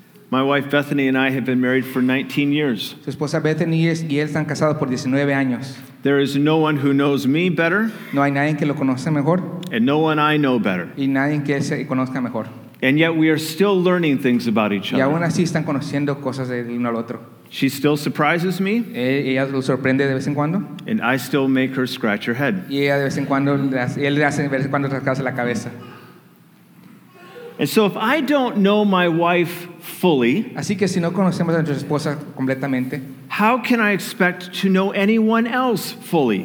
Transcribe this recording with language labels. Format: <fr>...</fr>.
<en>My wife Bethany and I have been married for 19 years.</en> <es>Su esposa Bethany y él están casados por 19 años.</es> <en>There is no one who knows me better.</en> <es>No hay nadie que lo conozca mejor.</es> <en>And no one I know better.</en> <es>Y nadie que se conozca mejor.</es> <en>And yet we are still learning things about each other.</en> <es>Y aún así están conociendo cosas del uno al otro.</es> <en>She still surprises me.</en> <es>Ella lo sorprende de vez en cuando.</es> <en>And I still make her scratch her head.</en> <es>Y ella de vez en cuando, él le hace de vez en cuando rascarse la cabeza.</es> <en>And so if I don't know my wife fully,</en> <es>así que si no conocemos a nuestra esposa completamente,</es> <en>how can I expect to know anyone else fully?</en>